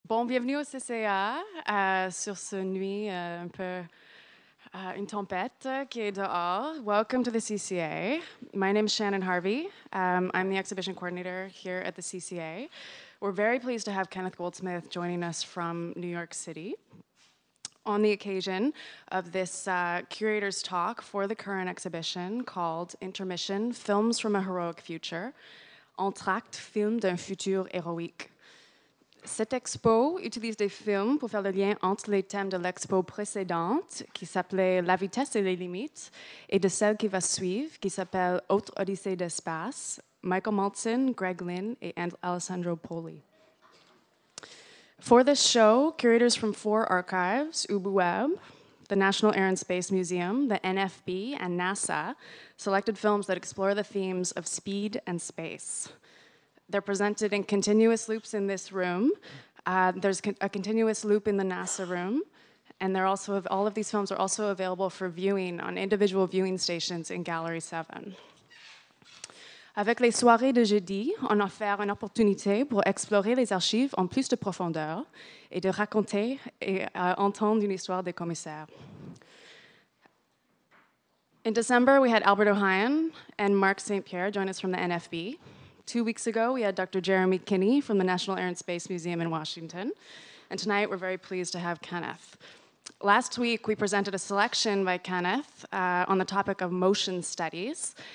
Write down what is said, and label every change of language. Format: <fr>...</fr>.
<fr>Bon, bienvenue au CCA sur ce nuit un peu une tempête qui est dehors.</fr> <en>Welcome to the CCA. My name is Shannon Harvey. I'm the exhibition coordinator here at the CCA. We're very pleased to have Kenneth Goldsmith joining us from New York City on the occasion of this curator's talk for the current exhibition called Intermission, Films from a Heroic Future, Entr'acte, Film d'un Futur Héroïque.</en> <fr>Cette expo utilise des films pour faire le lien entre les thèmes de l'expo précédente, qui s'appelait La vitesse et les limites, et de celle qui va suivre, qui s'appelle Autre Odyssée d'espace, Michael Maltzen, Greg Lynn, et Alessandro Poli.</fr> <en>For this show, curators from four archives, UbuWeb, the National Air and Space Museum, the NFB, and NASA, selected films that explore the themes of speed and space. They're presented in continuous loops in this room. There's a continuous loop in the NASA room, and they're also all of these films are also available for viewing on individual viewing stations in Gallery 7.</en> <fr>Avec les soirées de jeudi, on a offert une opportunité pour explorer les archives en plus de profondeur et de raconter et entendre une histoire des commissaires.</fr> <en>In December, we had Albert Ohayon and Mark St. Pierre join us from the NFB. 2 weeks ago, we had Dr. Jeremy Kinney from the National Air and Space Museum in Washington. And tonight, we're very pleased to have Kenneth. Last week, we presented a selection by Kenneth on the topic of motion studies.</en>